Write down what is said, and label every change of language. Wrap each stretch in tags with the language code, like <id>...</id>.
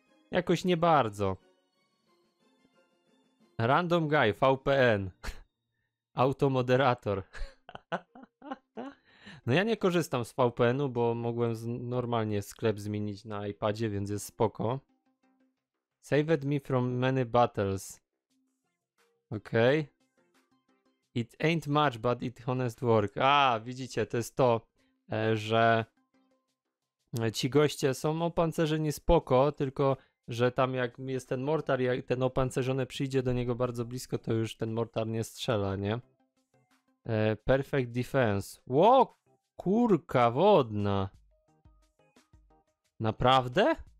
<pl>jakoś nie bardzo.</pl> <en>Random Guy, VPN. Automoderator.</en> <pl>No ja nie korzystam z VPN-u, bo mogłem normalnie sklep zmienić na iPadzie, więc jest spoko.</pl> <en>Saved me from many battles. Okej. Okay. It ain't much, but it honest work.</en> <pl>A, widzicie, to jest to, że ci goście są opancerzeni spoko, tylko, że tam jak jest ten mortar, jak ten opancerzony przyjdzie do niego bardzo blisko, to już ten mortar nie strzela, nie?</pl> <en>Perfect defense.</en> <pl>Ło, kurka wodna. Naprawdę?</pl>